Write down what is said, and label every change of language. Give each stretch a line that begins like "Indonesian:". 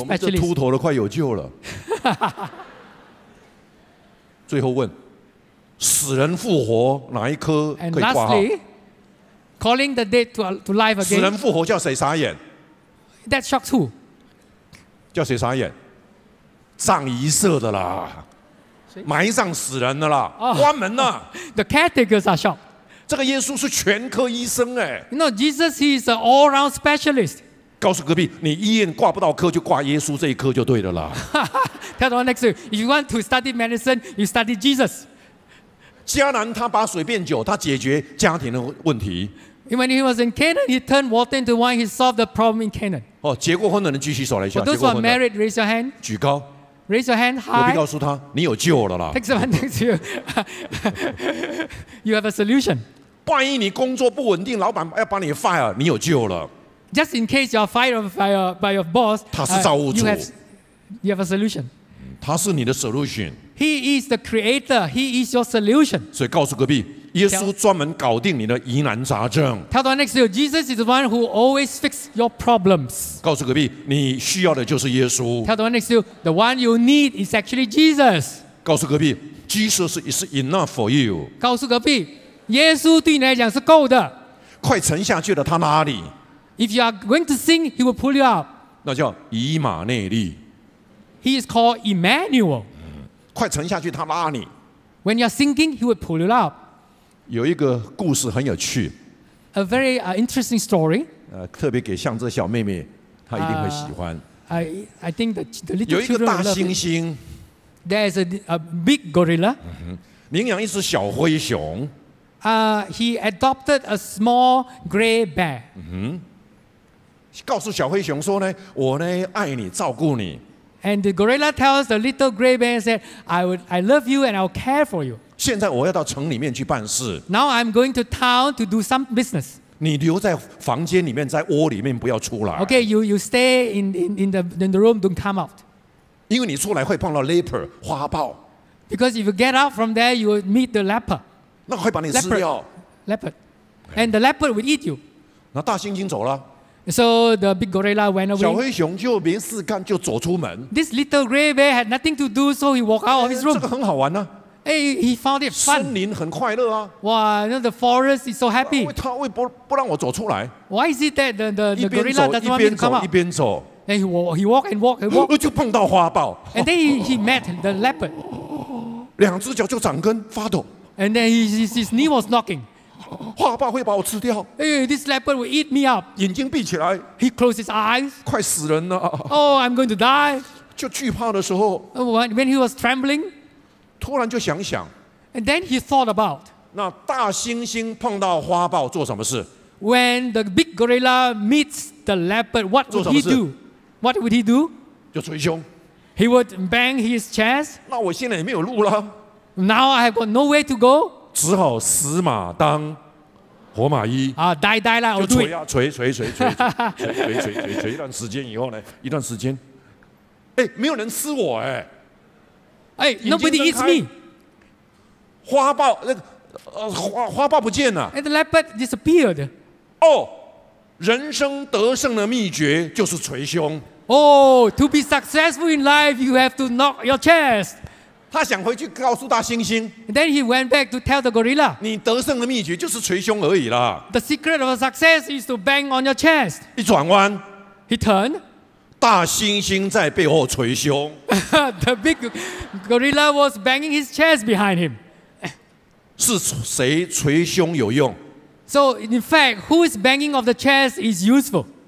Chinese: 我们这秃头的快有救了最后问死人复活哪一科可以挂号
English: and lastly, calling the dead to life again
Chinese: 死人复活叫谁傻眼
English: that shocks who
Chinese: 叫谁傻眼葬仪社的啦埋葬死人的啦、oh, 关门啦、
English: oh, the caretakers are shocked
Chinese: 这个耶稣是全科医生、欸、
English: you know Jesus he is an all round specialist
Chinese: 告诉隔壁你医院挂不到科就挂耶稣这一科就对了啦
English: tell the one next to you if you want to study medicine you study Jesus
Chinese: 迦南他把水变酒，他解决家庭的问题。
English: When he was in Canaan, he turned water into wine. He solved the problem in Canaan.
Chinese: 哦，结过婚的人举起手来一下。
English: For those who are married, raise your hand.
Chinese: 举高。
English: Raise your hand high.
Chinese: 隔壁告诉他，你有救了啦。
English: Take someone next to you. You have a solution.
Chinese: 万一你工作不稳定，老板要把你 fire， 你有救了。
English: Just in case you are fired by your boss,
Chinese: 他是造物主。
English: You have a solution.
Chinese: 他是你的 solution。
English: He is the creator. He is your solution.
Chinese: 所以告诉隔壁，耶稣专门搞定你的疑难杂症。
English: Tell the next to you, Jesus is the one who always fixes your problems.
Chinese: 告诉隔壁，你需要的就是耶稣。
English: Tell the next to you, the one you need is actually Jesus.
Chinese: 告诉隔壁
English: ，Jesus is enough for you.
Chinese: 告诉隔壁，耶稣对你来讲是够的。快沉下去了，他哪里
English: ？If you are going to sink, he will pull you up.
Chinese: 那叫以马内利。
English: He is called Emmanuel.
Chinese: 快沉下去，他拉你。
English: When you're sinking, he will pull you up.
Chinese: 有一个故事很有趣。
English: A very interesting story.
Chinese: 特别给像这小妹妹，她一定会喜欢。
English: I think the little
Chinese: 有一个大猩猩。
English: There is a big gorilla.、Mm-hmm.
Chinese: 领养一只小灰熊。
English: He adopted a small gray bear.、 Mm-hmm.
Chinese: 告诉小灰熊说呢，我呢爱你，照顾你。
English: And the gorilla tells the little gray bear, "said I love you and I'll care for you."
Chinese: 现在我要到城里面去办事。
English: Now I'm going to town to do some business.
Chinese: 你留在房间里面，在窝里面不要出来。
English: Okay, you stay in the room, don't come out.
Chinese: 因为你出来会碰到 leper 花豹。
English: Because if you get out from there, you will meet the leper.
Chinese: 那会把你吃掉。
English: Leopard, and the leopard will eat you.
Chinese: 那大猩猩走了。
English: So the big gorilla went away.
Chinese: 小灰熊就没事干，就走出门。
English: This little gray bear had nothing to do, so he walked out of his room.
Chinese: 这个很好玩啊。
English: Hey, he found it fun.
Chinese: 森林很快乐啊。
English: Wow, you know, the forest is so happy.
Chinese: 为不让我走出来。
English: Why is it that the gorilla doesn't want me to come out?
Chinese: 一边走一边走。
English: And he walk and walk and walk.
Chinese: 就碰到花豹。
English: And then he met the leopard.
Chinese: 两只脚就长根发抖。
English: And then his knee was knocking.
Chinese: 花豹会把我吃掉。
English: Hey, this leopard will eat me up.
Chinese: 眼睛闭起来。
English: He closed his eyes.
Chinese: 快死人了。
English: Oh, I'm going to die.
Chinese: 就惧怕的时候。
English: When he was trembling.
Chinese: 突然就想想。
English: And then he thought about.
Chinese: 那大猩猩碰到花豹做什么事
English: ？When the big gorilla meets the leopard, what would he do? What would he do?
Chinese: 就捶胸。
English: He would bang his chest.
Chinese: 那我现在也没有路了。
English: Now I have got no way to go.
Chinese: 只好死马当活马医啊！呆呆了，就捶啊捶捶捶捶捶捶捶捶一段时间以后呢，一段时间，哎，没有人吃我哎！
English: 哎 ，Nobody eats me。
Chinese: 花豹那个花豹不见了
English: ，And the leopard disappeared。
Chinese: 哦，人生得胜的秘诀就是捶胸。
English: Oh, to be successful in life, you have to knock your chest.
Chinese: 他想回去告诉大猩猩。
English: Then he went back to tell the gorilla.
Chinese: 你得胜的秘诀就是捶胸而已啦。
English: The secret of success is to bang on your chest.
Chinese: 一转弯
English: ，he turned.
Chinese: 大猩猩在背后捶胸。
English: The big gorilla was banging his chest behind him.
Chinese: 是谁捶胸有用
English: ？So in fact, whose banging of the chest is useful?